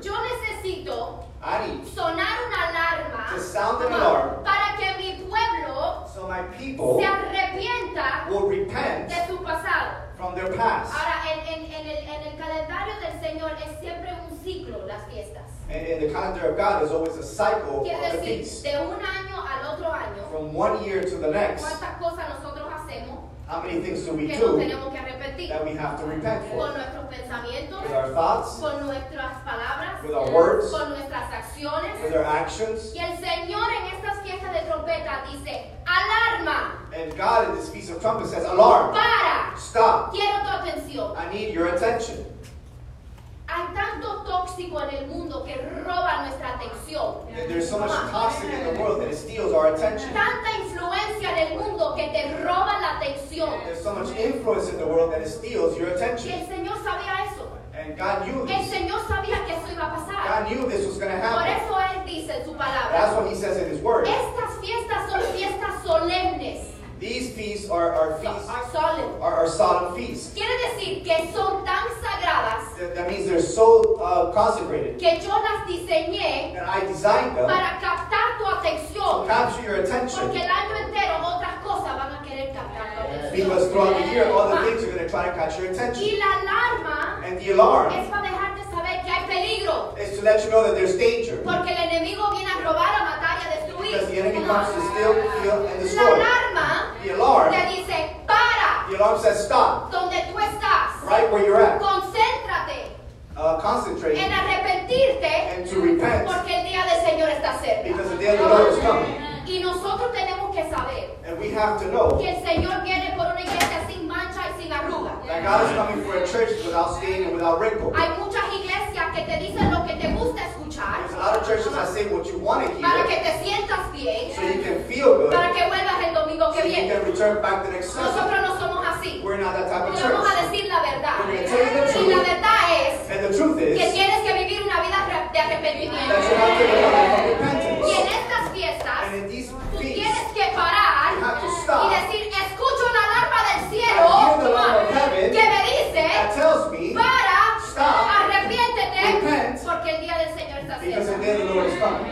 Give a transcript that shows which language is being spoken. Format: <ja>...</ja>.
<es>yo necesito sonar una alarma,</es> <en>to sound an alarm,</en> <es>para que mi pueblo,</es> <en>so my people,</en> <es>se arrepienta,</es> <en>will repent,</en> <es>de su pasado.</es> <en>From their past.</en> <es>Ahora, en el calendario del Señor es siempre un ciclo las fiestas.</es> <en>And in the calendar of God is always a cycle of the feasts.</en> <es>De un año al otro año.</es> <en>From one year to the next.</en> <es>¿Cuántas cosas nosotros hacemos?</es> <en>How many things do we</en> <es>que</es> <en>do?</en> <es>Que no tenemos que arrepentir.</es> <en>that we have to repent for.</en> <es>Con nuestros pensamientos,</es> <en>with our thoughts,</en> <es>con nuestras palabras,</es> <en>with our words,</en> <es>con nuestras acciones,</es> <en>with our actions.</en> <es>Y el Señor en estas fiestas de trompeta dice, alarma.</es> <en>And God in this piece of trumpet says, alarm.</en> <es>Para.</es> <en>Stop.</en> <es>Quiero tu atención.</es> <en>I need your attention.</en> <es>Hay tanto tóxico en el mundo que roba nuestra atención.</es> <en>There's so much toxic in the world that it steals our attention.</en> <es>Tanta influencia en el mundo que te roba la atención.</es> <en>There's so much influence in the world that it steals your attention.</en> <es>Y el Señor sabía eso.</es> <en>And God knew this.</en> <es>El Señor sabía que eso iba a pasar.</es> <en>God knew this was going to happen.</en> <es>Por eso Él dice en su palabra.</es> <en>That's what He says in His word.</en> <es>Estas fiestas son fiestas solemnes.</es> <en>These feasts are our feasts. Are solemn. Are our solemn feasts.</en> <es>Quiere decir que son tan sagradas.</es> <en>That means they're so consecrated.</en> <es>Que yo las diseñé.</es> <en>That I designed them.</en> <es>Para captar tu atención.</es> <en>To capture your attention.</en> <es>Porque el año entero otras cosas van a querer captar tu atención.</es> <en>Because throughout the year, all the things are going to try to catch your attention.</en> <es>Y la alarma.</es> <en>And the alarm.</en> <es>Es para dejarte saber que hay peligro.</es> <en>Is to let you know that there's danger.</en> <es>Porque el enemigo viene a robar, a matar y a destruir.</es> <en>Because the enemy comes to steal, kill, and destroy.</en> <es>La alarma.</es> <en>The alarm.</en> <es>Te dice, para.</es> <en>The alarm says stop.</en> <es>Donde tú estás.</es> <en>Right where you're at.</en> <es>Concéntrate.</es> <en>Concentrate.</en> <es>En arrepentirte.</es> <en>And to repent.</en> <es>Porque el día del Señor está cerca.</es> <en>Because the day of the Lord is coming.</en> <es>Y nosotros tenemos que saber.</es> <en>And we have to know.</en> <es>Que el Señor viene por una iglesia sin mancha y sin arruga.</es> <en>That God is coming for a church without stain and without wrinkle.</en> <es>Hay muchas iglesias que te dicen lo que te gusta escuchar.</es> <en>There's a lot of churches that say what you want to hear.</en> <es>Para que te sientas bien.</es> <en>So you can feel good.</en> <es>Para que vuelvas el domingo que viene.</es> <en>So you can return back the next Sunday.</en> <es>Nosotros no somos así.</es> <en>We're not that type of</en> <es>church. Vamos a decir la verdad.</es> <en>We're going to tell you the truth.</en> <es>Y la verdad es.</es> <en>And the truth is.</en> <es>Que tienes que vivir una vida de arrepentimiento.</es> <en>That you have to live a life of repentance.</en> <es>Y en estas fiestas.</es> <en>And in these feasts.</en> <es>Tú tienes que parar.</es> <en>You have to stop.</en> <es>Y decir, escucho la alarma del cielo.</es> <en>I hear the alarm of heaven.</en> <es>Que me dice.</es> <en>That tells me.</en> <es>Para.</es> <en>Stop.</en> <es>Arrepiéntete.</es> <en>Repent.</en> <es>Porque el día del Señor.</es> <en>Because the day of the Lord is coming.</en>